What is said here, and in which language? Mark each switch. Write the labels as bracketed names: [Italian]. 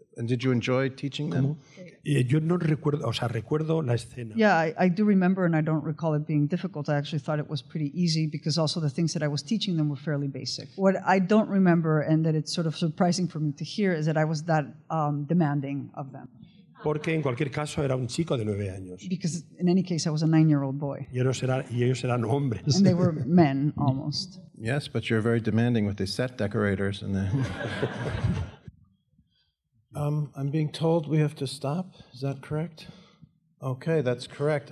[English] And did you enjoy teaching them? [Spanish] Yo no recuerdo, o sea, recuerdo la escena. [English] Yeah, I do remember, and I don't recall it being difficult. I actually thought it was pretty easy because also the things that I was teaching them were fairly basic. What I don't remember, and that it's sort of surprising for me to hear, is that I was that demanding of them. [Spanish] Porque en cualquier caso era un chico de 9 años. [English] Because in any case, I was a 9-year-old boy. [Spanish] Y ellos eran hombres. [English] And they were men, almost. Yes, but you're very demanding with the set decorators and the... I'm being told we have to stop. Is that correct? Okay, that's correct.